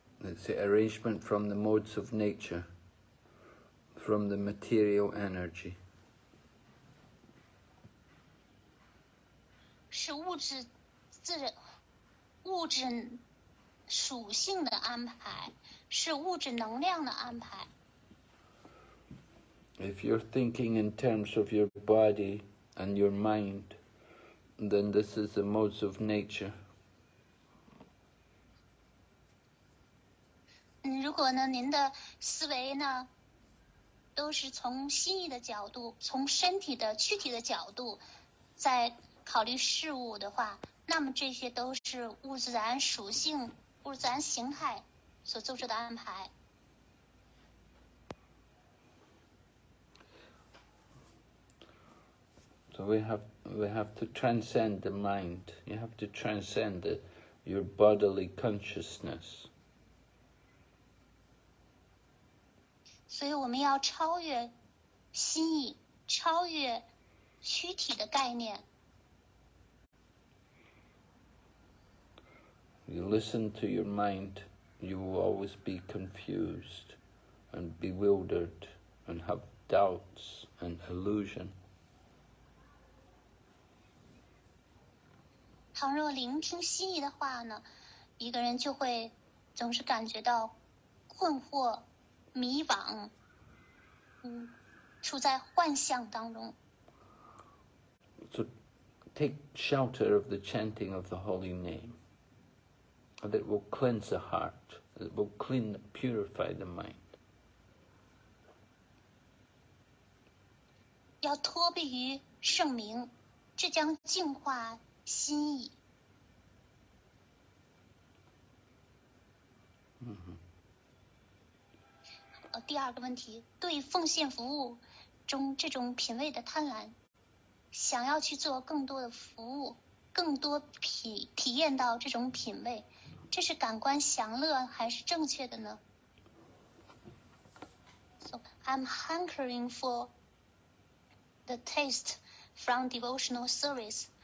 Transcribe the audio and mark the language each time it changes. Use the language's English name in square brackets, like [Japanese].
[English] It's the arrangement from the modes of nature, from the material energy. [Chinese] 是物质，自然，物质属性的安排，是物质能量的安排。 [English] If you're thinking in terms of your body and your mind, then this is the modes of nature. [Chinese] 如果呢，您的思维呢，都是从心意的角度，从身体的躯体的角度，在考虑事物的话，那么这些都是物自然属性、物自然形态所做出的安排。 [English] So we have to transcend the mind. You have to transcend your bodily consciousness. [Chinese] 所以我们要超越心意，超越躯体的概念。 [English] You listen to your mind, you will always be confused and bewildered and have doubts and illusion. [Chinese] 倘若聆听心意的话呢，一个人就会总是感觉到困惑。迷惘，处在幻象当中。 [English] So, take shelter of the chanting of the holy name, that will cleanse the heart, that will clean, purify the mind. [Chinese] 要脱避于圣名，这将净化心意。第二个问题，对奉献服务中这种品味的贪婪，想要去做更多的服务，更多体验到这种品味，这是感官享乐还是正确的呢 ？ [English] So I'm hankering for the taste from devotional service.